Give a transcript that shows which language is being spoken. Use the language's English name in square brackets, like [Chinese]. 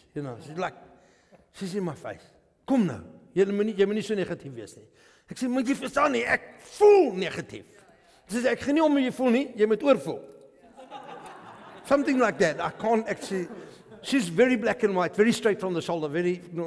[English] You know, she's like, she's in my face. [Afrikaans] Kom nou, jy moet nie so negatief wees nie. Ek sê, moet jy verstaan nie, ek voel negatief. Sy sê, ek gee nie om jy voel nie, jy moet oorvoel. [English] Something like that, I can't actually... She's very black and white, very straight from the shoulder, very...